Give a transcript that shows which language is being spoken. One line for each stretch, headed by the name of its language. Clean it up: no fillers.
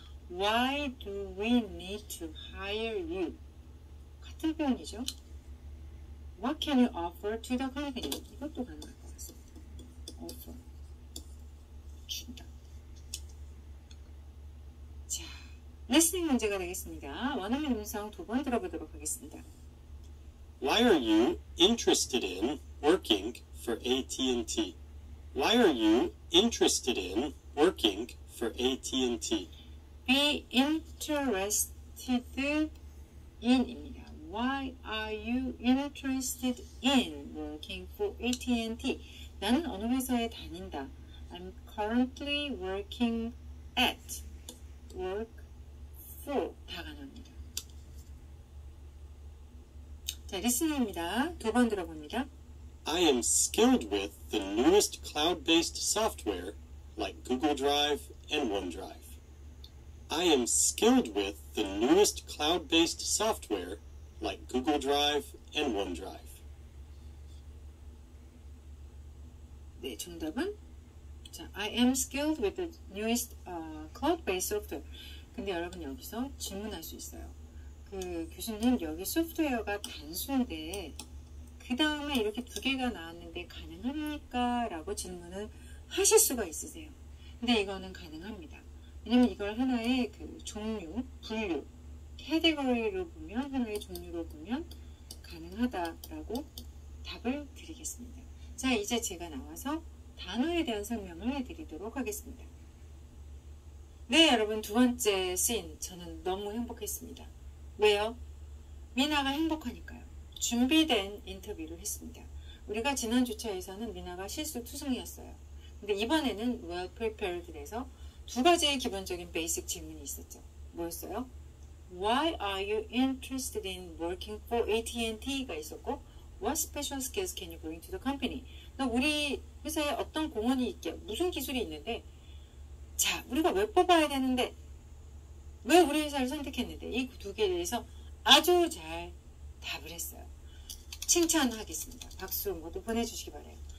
English: Why do we need to hire you?
Korean: 같은 표현이죠.
English: What can you offer to the company?
Korean: 이것도 가능할 것 같습니다. Offer. 준다. 자, 리스닝 문제가 되겠습니다. 원어민 문장 두 번 들어보도록 하겠습니다.
English: Why are you interested in working for AT&T? Why are you interested in working for AT&T? Be interested in입니다. Why are you interested in working for AT&T?
Korean: 나는 어느 회사에 다닌다.
English: I'm currently working at, work for
Korean: 다 가능합니다. 자, 리스닝입니다. 두 번 들어봅니다.
English: I am skilled with the newest cloud-based software like Google Drive and OneDrive. I am skilled with the newest cloud-based software like Google Drive and OneDrive.
Korean: 네, 정답은?
English: 자, I am skilled with the newest cloud-based software.
Korean: 근데 여러분 여기서 질문할 수 있어요. 그 교수님, 여기 소프트웨어가 단수인데 그 다음에 이렇게 두 개가 나왔는데 가능합니까? 라고 질문을 하실 수가 있으세요. 근데 이거는 가능합니다. 왜냐면 이걸 하나의 그 종류, 분류 category로 보면, 하나의 종류로 보면 가능하다라고 답을 드리겠습니다. 자, 이제 제가 나와서 단어에 대한 설명을 해드리도록 하겠습니다. 네, 여러분, 두 번째 씬. 저는 너무 행복했습니다. 왜요? 미나가 행복하니까요. 준비된 인터뷰를 했습니다. 우리가 지난 주차에서는 미나가 실수투성이었어요. 근데 이번에는 well prepared에서 두 가지의 기본적인 basic 질문이 있었죠. 뭐였어요?
English: Why are you interested in working for AT&T가
Korean: 있었고
English: What special skills can you bring to the company?
Korean: 너 우리 회사에 어떤 공헌이 있게 무슨 기술이 있는데 자, 우리가 왜 뽑아야 되는데 왜 우리 회사를 선택했는데 이 두 개에 대해서 아주 잘 답을 했어요. 칭찬하겠습니다. 박수 모두 보내주시기 바래요.